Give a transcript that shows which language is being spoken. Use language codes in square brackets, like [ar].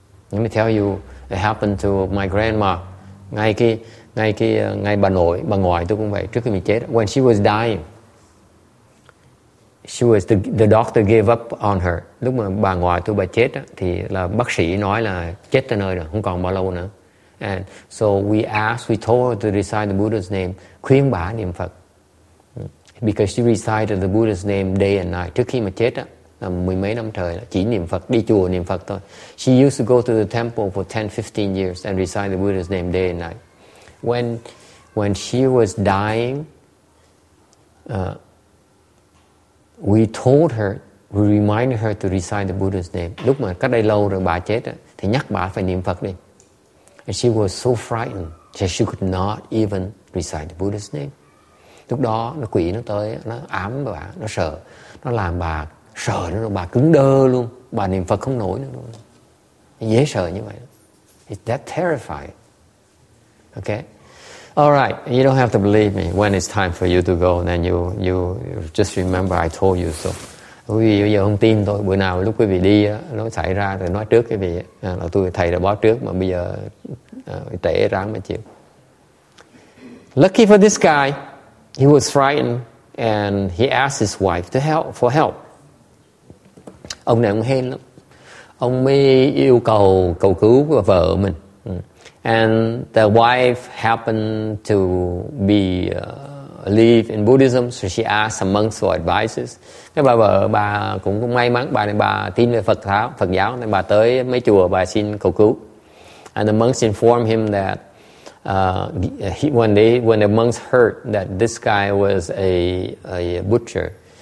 [en] Let me tell you, it happened to my grandma. [vi] Ngay bà nội, bà ngoại tôi cũng vậy. Trước khi mình chết, [en] when she was dying, she was the doctor gave up on her. [vi] Lúc mà bà ngoại tôi bà chết đó, thì là bác sĩ nói là chết tới nơi rồi, không còn bao lâu nữa. [en] And so we told her to recite the Buddha's name, [vi] khuyên bà niệm Phật, [en] because she recited the Buddha's name day and night. [vi] Trước khi mà chết đó, là mười mấy năm trời chỉ niệm Phật, đi chùa niệm Phật thôi. [en] She used to go to the temple for 10-15 years and recite the Buddha's name day and night. When she was dying, we told her, we reminded her to recite the Buddha's name. [vi] Lúc mà cách đây lâu rồi bà chết á, thì nhắc bà phải niệm Phật đi. [en] And she was so frightened that she could not even recite the Buddha's name. [vi] Lúc đó nó quỷ nó tới, nó ám bà, nó sợ, nó làm bà sợ, nó bà cứng đơ luôn, bà niệm Phật không nổi nữa luôn. Dễ sợ như vậy. [en] It's that terrifying. Okay. All right. You don't have to believe me. When it's time for you to go, then you just remember I told you so. [vi] Quý vị bây giờ không tin tôi. Bữa nào lúc quý vị đi nó xảy ra thì nói trước quý vị. Là tôi thầy đã báo trước mà bây giờ trễ ráng mà chịu. [en] Lucky for this guy, he was frightened and he asked his wife for help. [vi] Ông này cũng hên lắm. Ông mới yêu cầu cầu cứu của vợ mình. [en] And the wife happened to be live in Buddhism, so she asked some monks for advices. [vi] Cái bà vợ bà cũng may mắn, bà tin về Phật giáo nên bà tới mấy chùa bà xin cầu cứu. [en] And the monks informed him that when the monks heard that this guy was a butcher,